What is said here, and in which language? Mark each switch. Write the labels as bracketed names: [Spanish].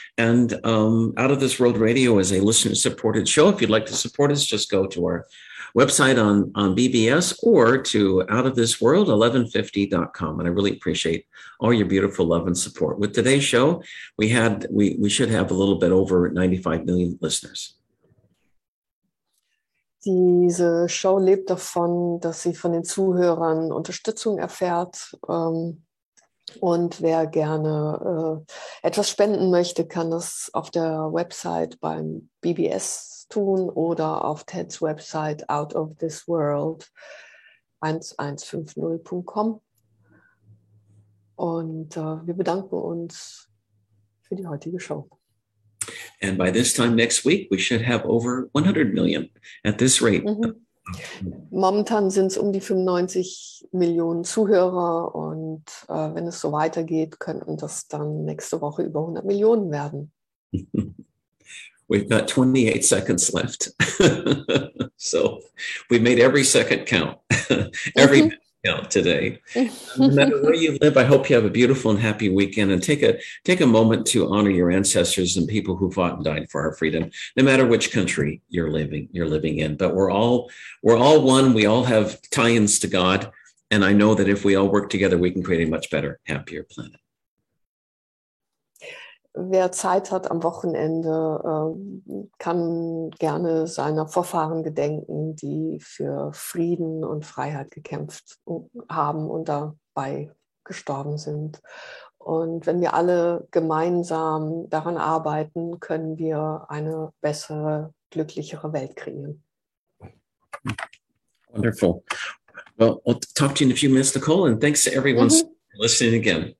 [English] And Out of This World Radio is a listener-supported show. If you'd like to support us, just go to our website on BBS or to outofthisworld1150.com. And I really appreciate all your beautiful love and support. With today's show, we should have a little bit over 95 million listeners. [German] Diese Show lebt davon, dass sie von den Zuhörern Unterstützung erfährt. Und wer gerne etwas spenden möchte, kann das auf der Website beim BBS tun oder auf Teds Website outofthisworld1150.com. Und wir bedanken uns für die heutige Show. [English] And by this time next week, we should have over 100 million at this rate. Mm-hmm. [German] Momentan sind es um die 95 Millionen Zuhörer und wenn es so weitergeht, könnten das dann nächste Woche über 100 Millionen werden. [English] We've got 28 seconds left. So we made every second count. Every minute. Today. No matter where you live, I hope you have a beautiful and happy weekend and take a moment to honor your ancestors and people who fought and died for our freedom, no matter which country you're living in. But we're all one. We all have tie-ins to God. And I know that if we all work together, we can create a much better, happier planet. [German] Wer Zeit hat am Wochenende, kann gerne seiner Vorfahren gedenken, die für Frieden und Freiheit gekämpft haben und dabei gestorben sind. Und wenn wir alle gemeinsam daran arbeiten, können wir eine bessere, glücklichere Welt kreieren. [English] Wonderful. Well, I'll talk to you in a few minutes, Nicole, and thanks to everyone for listening again.